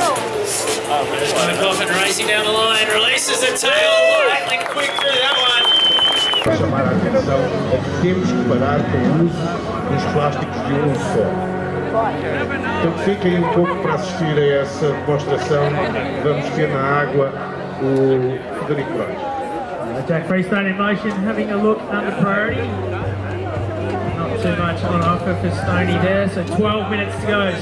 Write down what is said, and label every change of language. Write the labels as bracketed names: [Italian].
[English] Coffin racing down the line, releases the tail, lightning quick through that one. [Portuguese] Para chamar a atenção é que temos que parar com o uso dos plásticos de um só. Então fiquem um pouco para assistir a essa demonstração. Vamos ter na água o Federico Reis. [English] Jack Freestone in motion, having a look at the priority. Not too much on offer for Stoney there, so 12 minutes to go.